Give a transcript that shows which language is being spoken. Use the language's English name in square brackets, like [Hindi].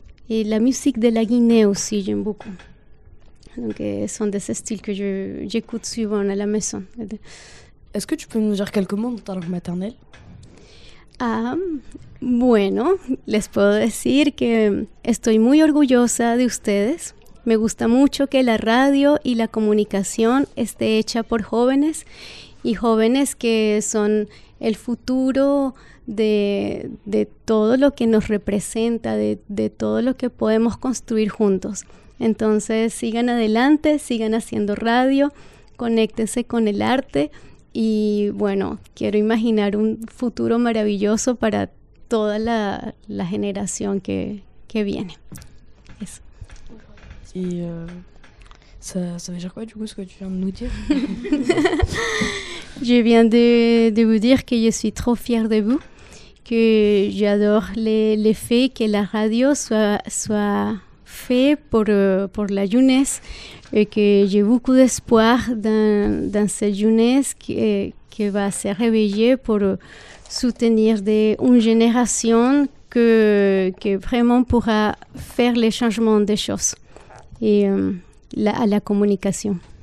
[French] Et la musique de la Guinée aussi, j'aime beaucoup. Donc, ce sont des styles que j'écoute souvent à la maison. Est-ce que tu peux nous dire quelques mots de ta langue maternelle? [Spanish] Ah, bueno, les puedo decir que estoy muy orgullosa de ustedes. Me gusta mucho que la radio y la comunicación esté hecha por jóvenes y jóvenes que son el futuro de todo lo que nos representa, de todo lo que podemos construir juntos. Entonces, sigan adelante, sigan haciendo radio, conéctense con el arte. Y bueno, quiero imaginar un futuro maravilloso para toda la generación que viene. Eso. [French] Y ça veut dire quoi du coup ce que tu viens de nous dire? Je viens de vous dire que je suis trop fière de vous, que j'adore le fait que la radio soit fait pour la jeunesse et que j'ai beaucoup d'espoir dans cette jeunesse qui va se réveiller pour soutenir une génération qui vraiment pourra faire les changements des choses et la communication.